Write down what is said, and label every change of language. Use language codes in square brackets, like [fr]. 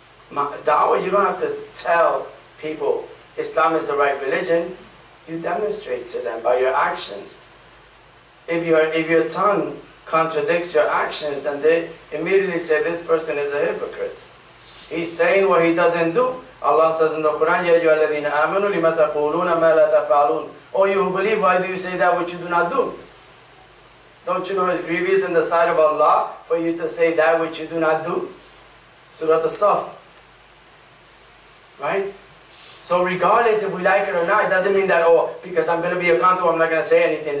[en] Da'wah, you don't have to tell people Islam is the right religion. You demonstrate to them by your actions. If your tongue contradicts your actions, then they immediately say this person is a hypocrite. He's saying what he doesn't do. [ar] Allah says in the Quran, يَا أَيُّهَا الَّذِينَ آمَنُوا لِمَ تَقُولُونَ مَا لَا تَفَعَلُونَ. [en] Oh, you who believe, why do you say that which you do not do? Don't you know it's grievous in the sight of Allah for you to say that which you do not do? Surah As-Saff. Right? So regardless if we like it or not, it doesn't mean that, oh, because I'm going to be accountable, I'm not going to say anything.